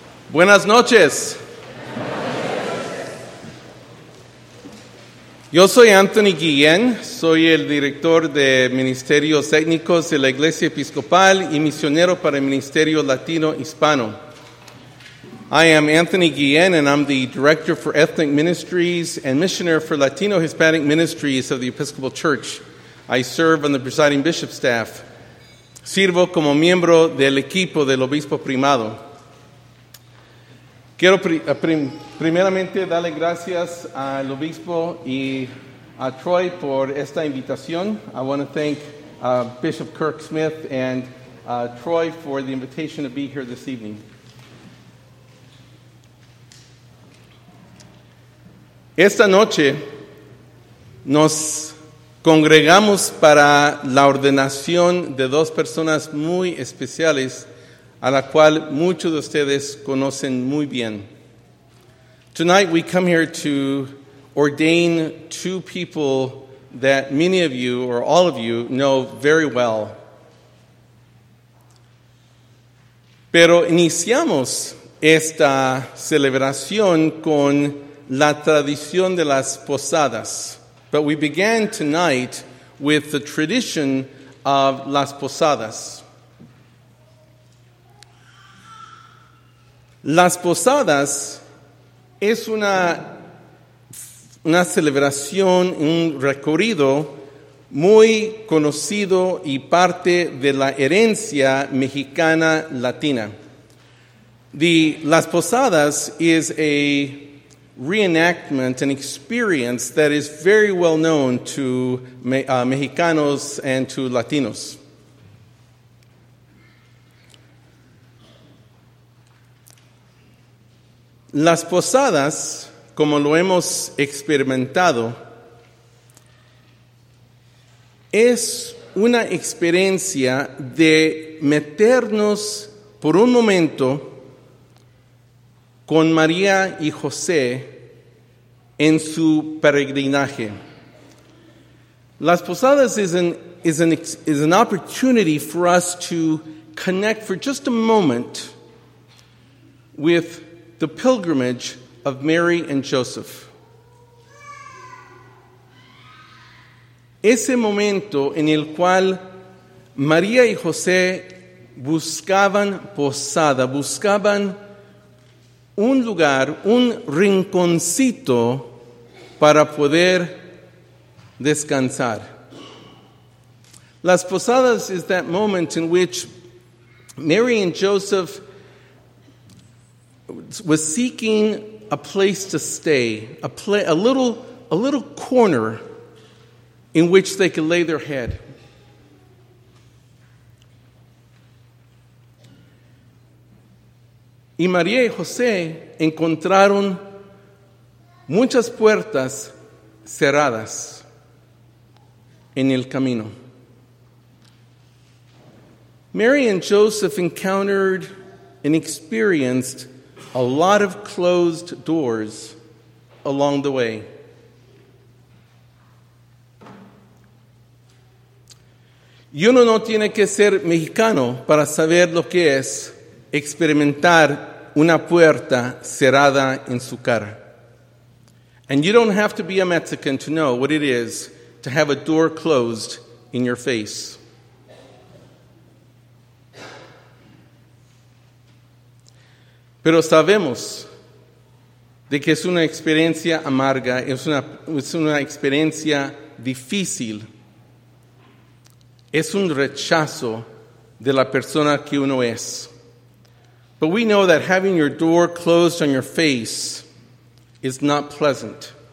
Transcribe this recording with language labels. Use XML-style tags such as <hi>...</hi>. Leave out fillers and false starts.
<es>Buenas noches. Yo soy Anthony Guillén, soy el director de Ministerios Étnicos de la Iglesia Episcopal y misionero para el Ministerio Latino Hispano.</es> <en>I am Anthony Guillén, and I'm the Director for Ethnic Ministries and Missioner for Latino Hispanic Ministries of the Episcopal Church. I serve on the presiding bishop staff.</en> <es>Sirvo como miembro del equipo del Obispo Primado. Quiero primeramente darle gracias al Obispo y a Troy por esta invitación.</es> <en>I want to thank Bishop Kirk Smith and Troy for the invitation to be here this evening.</en> <es>Esta noche nos congregamos para la ordenación de dos personas muy especiales a la cual muchos de ustedes conocen muy bien.</es> <en>Tonight we come here to ordain two people that many of you or all of you know very well.</en> <es>Pero iniciamos esta celebración con la tradición de las posadas.</es> <en>But we began tonight with the tradition of las posadas.</en> <es>Las posadas es una celebración, un recorrido muy conocido y parte de la herencia mexicana latina.</es> <en>Las posadas is a reenactment, an experience that is very well known to Mexicanos and to Latinos.</en> <es>Las posadas, como lo hemos experimentado, es una experiencia de meternos por un momento con María y José en su peregrinaje.</es> <en>Las posadas is an opportunity for us to connect for just a moment with the pilgrimage of Mary and Joseph.</en> <es>Ese momento en el cual María y José buscaban posada, buscaban un lugar, un rinconcito para poder descansar.</es> <en>Las posadas is that moment in which Mary and Joseph was seeking a place to stay, a little corner in which they could lay their head.</en> <es>Y María y José encontraron muchas puertas cerradas en el camino.</es> <en>Mary and Joseph encountered and experienced a lot of closed doors along the way.</en> <es>Y uno no tiene que ser mexicano para saber lo que es experimentar una puerta cerrada en su cara.</es> <en>And you don't have to be a Mexican to know what it is to have a door closed in your face.</en> <es>Pero sabemos de que es una experiencia amarga, es una experiencia difícil. Es un rechazo de la persona que uno es.</es> <en>But we know that having your door closed on your face is not pleasant.</en>